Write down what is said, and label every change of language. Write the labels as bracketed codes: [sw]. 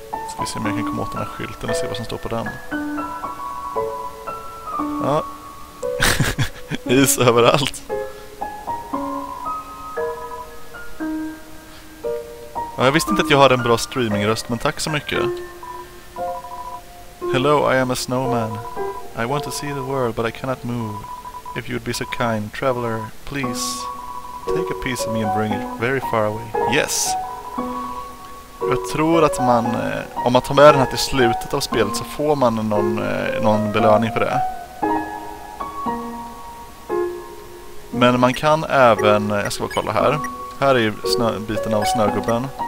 [sv] Ska vi se om jag kan komma åt den här skylten och se vad som står på den. Ja. Is överallt. Ja, jag visste inte att jag hade en bra streamingröst, men tack så mycket. [en] Hello, I am a snowman. I want to see the world, but I cannot move. If you would be so kind, traveler, please. Take a piece of me and bring it very far away. [sv] Yes! Jag tror att man... om man tar med den här till slutet av spelet så får man någon belöning för det. Men man kan även... jag ska bara kolla här. Här är ju biten av snögubben.